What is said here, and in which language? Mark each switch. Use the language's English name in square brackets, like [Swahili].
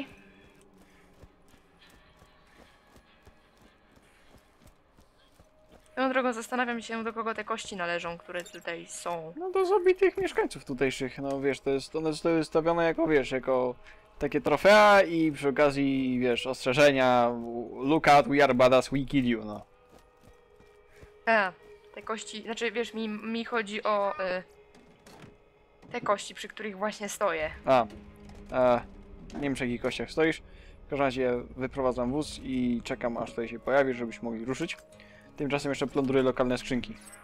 [Polish] Okay. Tą drogą zastanawiam się, do kogo te kości należą, które tutaj są. No do zabitych mieszkańców tutejszych, no wiesz, one zostały stawione jako, wiesz, jako takie trofea i przy okazji, wiesz, ostrzeżenia. [English] Look out, we are badass, we kill you, no. [Polish] Te kości, znaczy wiesz, mi chodzi o te kości, przy których właśnie stoję. Nie wiem, przy jakich kościach stoisz. W każdym razie wyprowadzam wóz i czekam, aż tutaj się pojawi, żebyś mogli ruszyć. Tymczasem jeszcze plądruję lokalne skrzynki.